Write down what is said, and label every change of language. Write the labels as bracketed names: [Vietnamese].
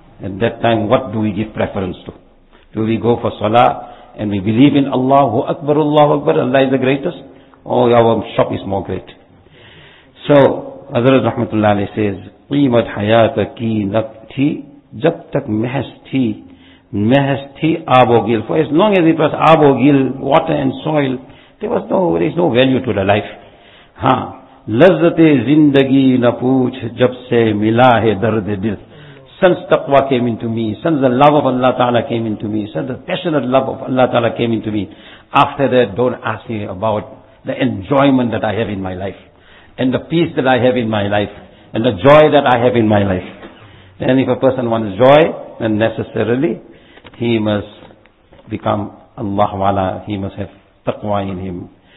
[English] At that time, what do we give preference to? Do we go for salah, and we believe in Allahu Akbar, Allahu Akbar, Allah is the greatest, or our shop is more great? So, Hazrat Rahmatullah Ali says, [Urdu] قیمت حیات کی نک تھی جب تک محس تھی آب و گل. [English] For as long as it was [Urdu] آب و گل, [English] water and soil, there is no value to the life. [Urdu] ہاں, لذت زندگی نہ پوچھ جب سے ملا ہے درد دل. [English] Since taqwa came into me, since the love of Allah Ta'ala came into me, since the passionate love of Allah Ta'ala came into me, after that, don't ask me about the enjoyment that I have in my life. And the peace that I have in my life, and the joy that I have in my life. And if a person wants joy, then necessarily he must become Allah wala, he must have taqwa in him.